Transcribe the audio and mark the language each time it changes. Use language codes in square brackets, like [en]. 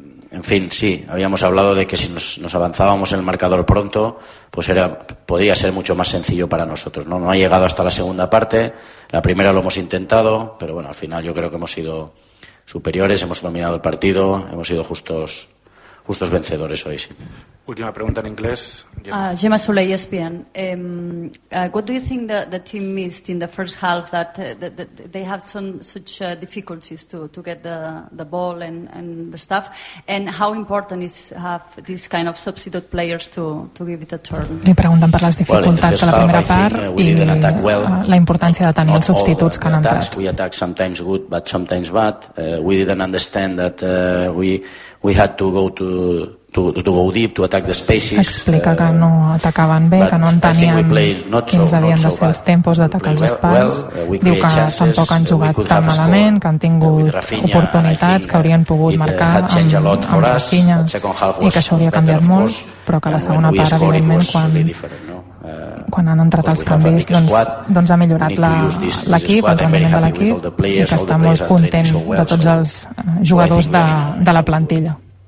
[es] En fin, sí, habíamos hablado de que si nos avanzábamos en el marcador pronto, pues podría ser mucho más sencillo para nosotros, ¿no? No ha llegado hasta la segunda parte, la primera lo hemos intentado, pero bueno, al final yo creo que hemos sido superiores, hemos dominado el partido, hemos sido justos vencedores hoy, sí. Última pregunta en inglés. Gemma Soleil, ESPN. [en] What do you think the team missed in the first half that they have such difficulties to get the ball and the stuff? And how important is have this kind of substitute players to give it a turn? [ca] Li pregunten per les dificultats de la primera part i la importància de tenir els substituts que han entrat. [en] We attack sometimes good, but sometimes bad. We didn't understand that we had to go to go deep, to attack the spaces. [ca] Explica que no atacaven bé, que no entenien quins havien de ser els tempos d'atacar els espais. Diu que tampoc han jugat tan malament, que han tingut oportunitats que haurien pogut marcar amb Rafinha i que això hauria canviat molt, però que la segona part, evidentment, quan han entrat els canvis, doncs ha millorat l'equip, el rendiment de l'equip, i que està molt content de tots els jugadors de la plantilla.